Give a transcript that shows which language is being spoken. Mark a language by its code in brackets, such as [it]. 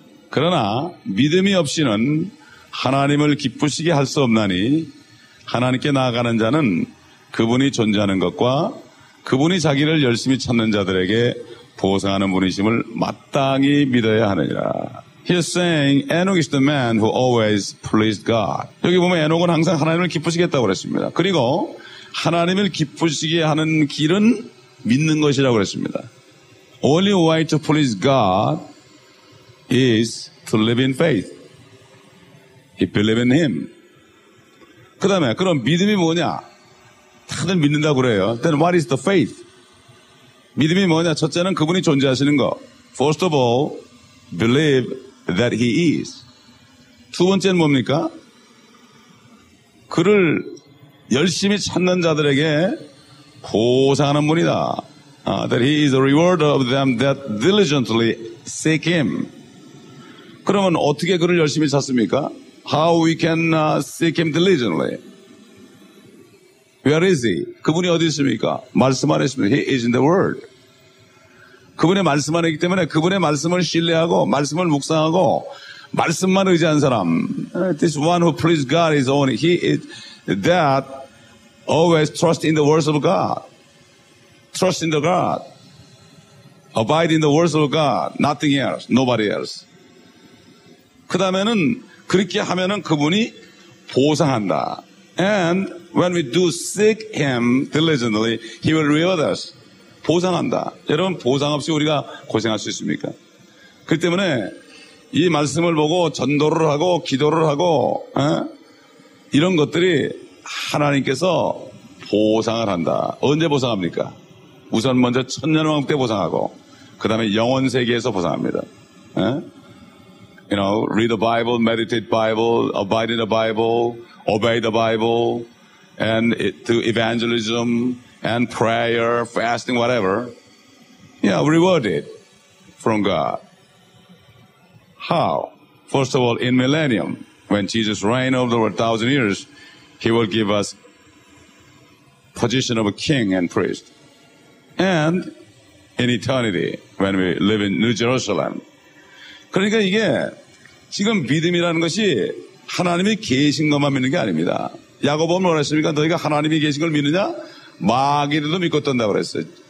[ko] 그러나 믿음이 없이는 하나님을 기쁘시게 할 수 없나니 하나님께 나아가는 자는 그분이 존재하는 것과 그분이 자기를 열심히 찾는 자들에게 보상하는 분이심을 마땅히 믿어야 하느니라. [en] He is saying, Enoch is the man who always pleased God. [ko] 여기 보면 에녹은 항상 하나님을 기쁘시게 했다고 그랬습니다. 그리고 하나님을 기쁘시게 하는 길은 믿는 것이라고 그랬습니다. [en] Only way to please God is to live in faith. He believed in him. [ko] 그 다음에 그럼 믿음이 뭐냐? 다들 믿는다고 그래요. [en] Then what is the faith? [ko] 믿음이 뭐냐? 첫째는 그분이 존재하시는 거. [en] First of all, believe that he is. [ko] 두 번째는 뭡니까? 그를 열심히 찾는 자들에게 보상하는 분이다. [en] That he is a rewarder of them that diligently seek him. [ko] 그러면 어떻게 그를 열심히 찾습니까? [en] How we can seek him diligently? Where is he? [ko] 그분이 어디 있습니까? 말씀 안에 있습니다. [en] He is in the word. [ko] 그분의 말씀 안에 있기 때문에 그분의 말씀을 신뢰하고 말씀을 묵상하고 말씀만 의지한 사람. [en] This one who please God is only he is that always trust in the words of God. Trust in the God. Abide in the words of God. Nothing else. Nobody else. [ko] 그 다음에는 그렇게 하면은 그분이 보상한다. [en] And when we do seek him diligently, he will reward us. [ko] 보상한다. 여러분, 보상 없이 우리가 고생할 수 있습니까? 그 때문에 이 말씀을 보고 전도를 하고 기도를 하고 이런 것들이 하나님께서 보상을 한다. 언제 보상합니까? 우선 먼저 천년왕국 때 보상하고 그 다음에 영원세계에서 보상합니다. 에? [en] You know, read the Bible, meditate Bible, abide in the Bible, obey the Bible, and to evangelism, and prayer, fasting, whatever. Yeah, rewarded from God. How? First of all, in millennium, when Jesus reigns over the world 1,000 years, he will give us position of a king and priest. And in eternity, when we live in New Jerusalem. [ko] 그러니까 이게 지금 믿음이라는 것이 하나님이 계신 것만 믿는 게 아닙니다. 야고보는 뭐라 했습니까? 너희가 하나님이 계신 걸 믿느냐? 마귀들도 믿고 떤다 그랬어요.